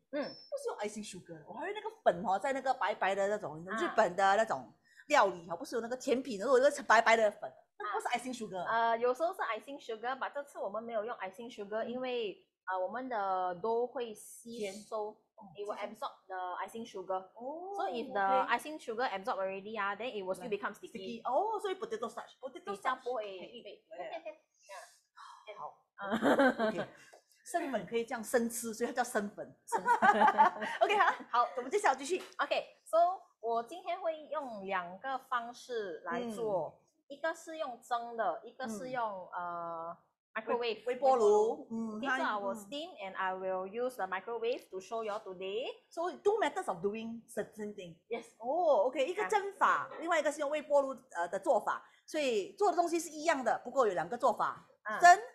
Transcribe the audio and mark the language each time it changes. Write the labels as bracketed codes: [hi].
[zh] 不是用 icing sugar，我还有那个粉哦，在那个白白的那种日本的那种料理哦，不是有那个甜品，然后有个白白的粉，那不是 icing sugar。有时候是 icing sugar，但这次我们没有用 icing sugar，因为我们的 dough 会吸甜。 [en] 收。It will absorb the icing sugar. 哦 So if the icing sugar absorb already, then it will still become sticky. [zh] 哦，所以 [en] potato starch, potato [zh] 比较 [en] starch [zh] 不会可以。好，OK，生粉可以这样生吃，所以它叫生粉。 OK，好，我们接下来继续。 OK，so 我今天会用两个方式来做，一个是用蒸的，一个是用microwave 微波炉。 [en] These are our steam, and I will use the microwave to show you all today. So two methods of doing certain thing. Yes. [zh] 哦，OK，一个蒸法，另外一个是用微波炉的做法，所以做的东西是一样的，不过有两个做法，蒸。